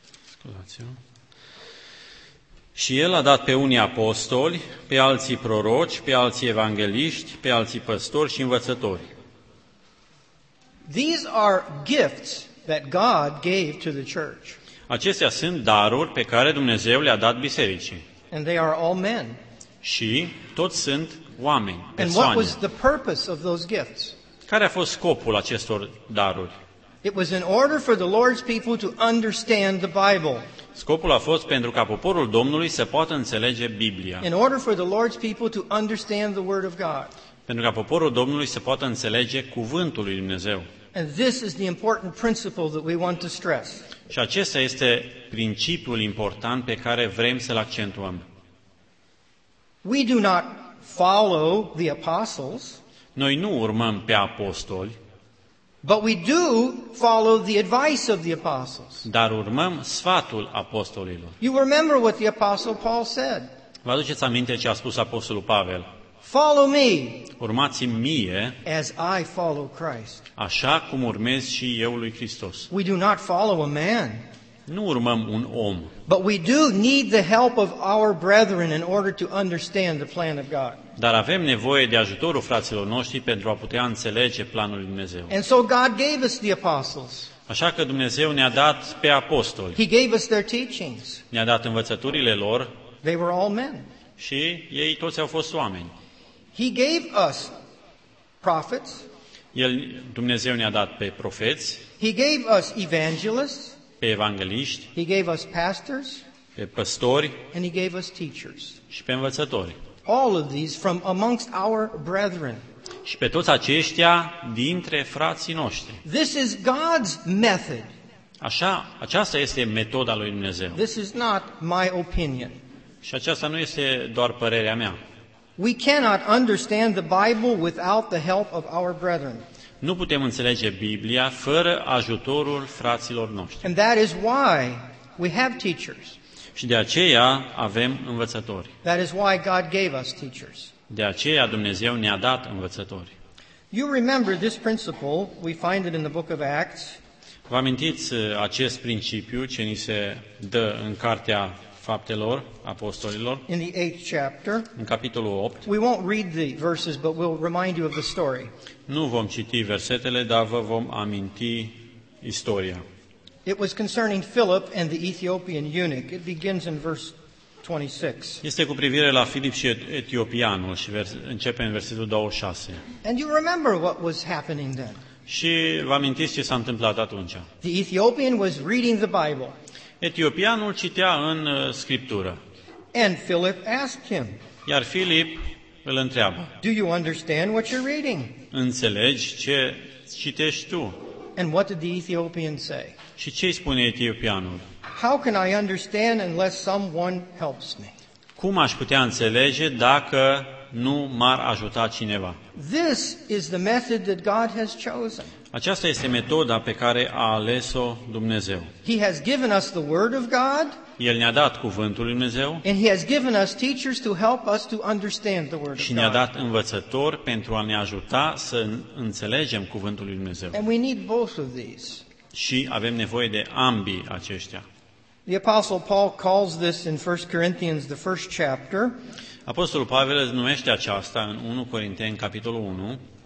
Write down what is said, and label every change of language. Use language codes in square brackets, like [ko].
[ro] Scuzați-mă. Și El a dat pe unii apostoli, pe alții proroci, pe alții evangeliști, pe alții păstori și învățători. [en] These are gifts that God gave to the church. [ro] Acestea sunt daruri pe care Dumnezeu le-a dat bisericii. [en] And they are all men. [ro] Și toți sunt oameni, persoane. [en] And what was the purpose of those gifts? [ro] Care a fost scopul acestor daruri? [en] It was in order for the Lord's people to understand the Bible. [ro] Scopul a fost pentru ca poporul Domnului să poată înțelege Biblia. [en] In order for the Lord's people to understand the word of God. [ro] Pentru ca poporul Domnului să poată înțelege cuvântul lui Dumnezeu. [en] And this is the important principle that we want to stress. [ro] Și acesta este principiul important pe care vrem să-l accentuăm. [en] We do not follow the apostles. [ro] Noi nu urmăm pe apostoli. [en] But we do follow the advice of the apostles. [ro] Dar urmăm sfatul apostolilor. [en] You remember what the apostle Paul said? [ro] Vă aduceți aminte ce a spus apostolul Pavel? [en] Follow me. [ro] Urmați-mi mie. [en] As I follow Christ. [ro] Așa cum urmez și eu lui Hristos. [en] We do not follow a man. [ro] Nu urmăm un om. [en] But we do need the help of our brethren in order to understand the plan of God. [ro] Dar avem nevoie de ajutorul fraților noștri pentru a putea înțelege planul lui Dumnezeu. [en] And so God gave us the apostles. [ro] Așa că Dumnezeu ne-a dat pe apostoli. [en] He gave us their teachings. [ro] Ne-a dat învățăturile lor. [en] They were all men. [ro] Și ei toți au fost oameni. [en] He gave us prophets. [ro] El, Dumnezeu ne-a dat pe profeți. [en] He gave us evangelists. [ro] Pe evangeliști. [en] He gave us pastors. [ro] Pe păstori. [en] And he gave us teachers. [ro] Și pe învățători. [en] All of these from amongst our brethren. [ro] Și pe toți aceștia dintre frații noștri. [en] This is God's method. [ro] Așa, aceasta este metoda lui Dumnezeu. [en] This is not my opinion. [ro] Și aceasta nu este doar părerea mea. [en] We cannot understand the Bible without the help of our brethren. [ro] Nu putem înțelege Biblia fără ajutorul fraților noștri. [en] And that is why we have teachers. [ro] Și de aceea avem învățători. [en] That is why God gave us teachers. [ro] De aceea Dumnezeu ne-a dat învățători. [en] You remember this principle, we find it in the book of Acts. [ro] Vă amintiți acest principiu ce ni se dă în cartea Faptelor Apostolilor? [en] In the 8th chapter. [ro] În capitolul 8. [en] We won't read the verses, but we'll remind you of the story. [ro] Nu vom citi versetele, dar vă vom aminti istoria. [en] It was concerning Philip and the Ethiopian eunuch. It begins in verse 26. [ro] Este cu privire la Filip și etiopianul și începe în versetul 26. [en] And you remember what was happening then? [ro] Și vă amintiți ce s-a întâmplat atunci? [en] The Ethiopian was reading the Bible. [ro] Etiopianul citea în Scriptură. [en] And Philip asked him. [ro] Iar Filip îl întreabă. [en] Do you understand what you're reading? [ro] Înțelegi ce citești tu? [en] And what did the Ethiopian say? [ro] Și ce spune etiopianul? [en] How can I understand unless someone helps me? [ro] Cum aș putea înțelege dacă nu m-ar ajuta cineva? [en] This is the method that God has chosen. [ro] Aceasta este metoda pe care a ales-o Dumnezeu. [en] He has given us the word of God. [ro] El ne-a dat cuvântul lui Dumnezeu. [en] And he has given us teachers to help us to understand the word of God. [ro] Și ne-a dat învățători pentru a ne ajuta să înțelegem cuvântul lui Dumnezeu. [en] And we need both of these. [ro] Și avem nevoie de ambii aceștia. [en] The apostle Paul calls this in 1 Corinthians the first chapter. [ro] Apostolul Pavel numește aceasta în 1 Corinteni capitolul 1.